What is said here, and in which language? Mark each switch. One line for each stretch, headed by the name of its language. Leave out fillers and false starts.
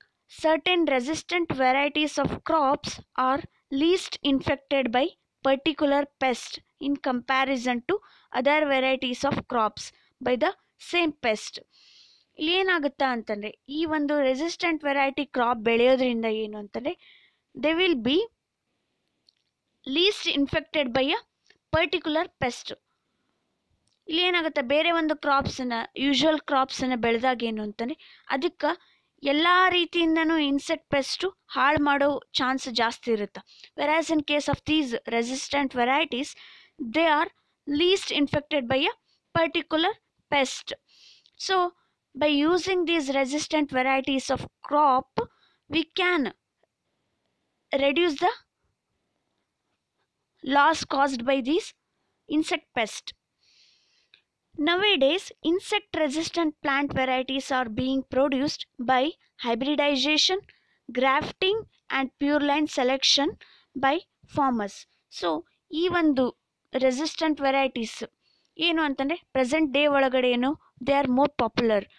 English: Certain resistant varieties of crops are least infected by particular pest in comparison to other varieties of crops by the same pest.
Kannada: ಇಲ್ಲಿ ಏನಾಗುತ್ತೆ ಅಂತಂದರೆ ಈ ಒಂದು resistant variety crop ಬೆಳೆಯೋದ್ರಿಂದ ಏನು ಅಂತಂದರೆ
English: They will be least infected by a particular pest.
Kannada: ಇಲ್ಲಿ ಏನಾಗುತ್ತೆ ಬೇರೆ ಒಂದು ಕ್ರಾಪ್ಸನ್ನು ಯೂಶುವಲ್ ಕ್ರಾಪ್ಸನ್ನು ಬೆಳೆದಾಗ ಏನು ಅಂತಂದರೆ ಅದಕ್ಕೆ ಎಲ್ಲ ರೀತಿಯಿಂದನೂ ಇನ್ಸೆಕ್ಟ್ ಪೆಸ್ಟು ಹಾಳು ಮಾಡೋ ಚಾನ್ಸ್ ಜಾಸ್ತಿ ಇರುತ್ತೆ.
English: Whereas in case of these resistant varieties they are least infected by a particular pest. So by using these resistant varieties of crop we can reduce the loss caused by these insect pest. Nowadays, insect-resistant plant varieties are being produced by hybridization, grafting and pure line selection by farmers. So, even the resistant varieties, present day, they are more popular.